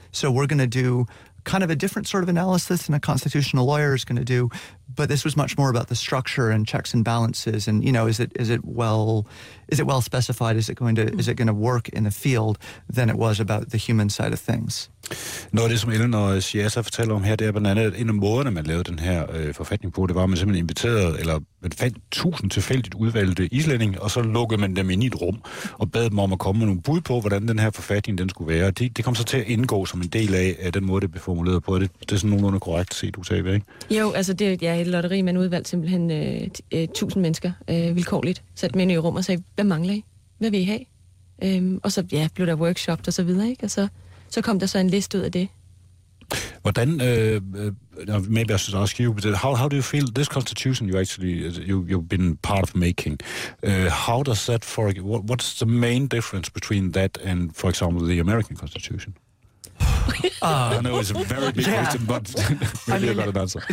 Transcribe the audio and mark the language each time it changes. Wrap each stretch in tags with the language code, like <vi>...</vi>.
<en>So we're going to do kind of a different sort of analysis than a constitutional lawyer is going to do. But this was much more about the structure and checks and balances. And, you know, is it well specified? Is it going to work in the field than it was about the human side of things?</en> <da>Noget af det, som Ellen og Shiaza fortæller om her, det er blandt andet, at en af måderne, man lavede den her forfatning på, det var, at man simpelthen inviterede, eller man fandt 1,000 tilfældigt udvalgte islændinge, og så lukkede man dem ind i et rum og bad dem om at komme med nogle bud på, hvordan den her forfatning den skulle være. Det kom så til at indgå som en del af den måde, det blev formuleret på. Det er sådan nogenlunde korrekt set, du sagde, ikke? Jo, altså det er et lotteri, man udvalgte simpelthen 1,000 mennesker vilkårligt, satte dem ind i et rum og sagde, hvad mangler I? Hvad vil I have? Og så ja, blev der workshopped og så videre, ikke? Så kom der så en liste ud af det. Hvordan,</da> <en>maybe I should ask you, but how do you feel this constitution you've been part of making? How does that what's the main difference between that and, for example, the American constitution? I know it's a very big question, but really I mean, got an answer.</en>